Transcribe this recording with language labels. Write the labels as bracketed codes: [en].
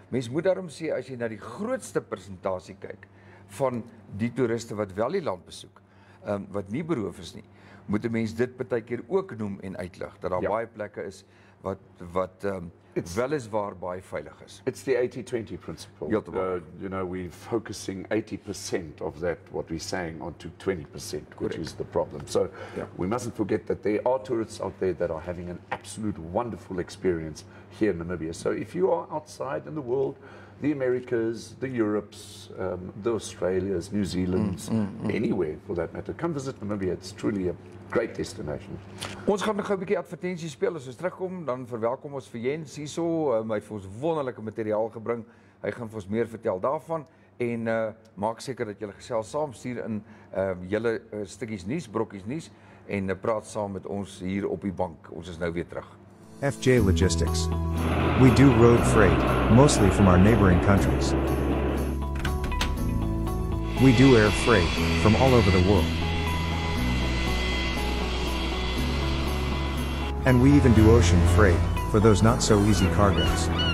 [af] Mens moet daarom sê as jy na die grootste persentasie kyk van die toeriste wat wel die land besoek, wat nie beroof is nie, moet 'n mens dit baie keer ook noem en uitlig dat daar baie plekke is wat weliswaar baie veilig is. [en] It's the 80-20 principle. You know, we're focusing 80% of that what we're saying onto 20%, which is the problem. So we mustn't forget that there are tourists out there that are having an absolute wonderful experience here in Namibia. So if you are outside in the world, the Americas, the Europes, the Australias, New Zealands, anywhere for that matter. Come visit Namibia. It's truly a great destination. [af] Ons gaan nog 'n bietjie advertensie speel as ons terugkom, dan verwelkom ons vir Jens hierso. Hy het vir ons wonderlike materiaal gebring. Hy gaan vir ons meer vertel daarvan en maak seker dat julle gesels saam stuur in julle stukkies nuus, brokkies nuus en praat saam met ons hier op die bank. Ons is nou weer terug. [en] FJ Logistics. We do road freight, mostly from our neighboring countries. We do air freight from all over the world. And we even do ocean freight for those not so easy cargoes.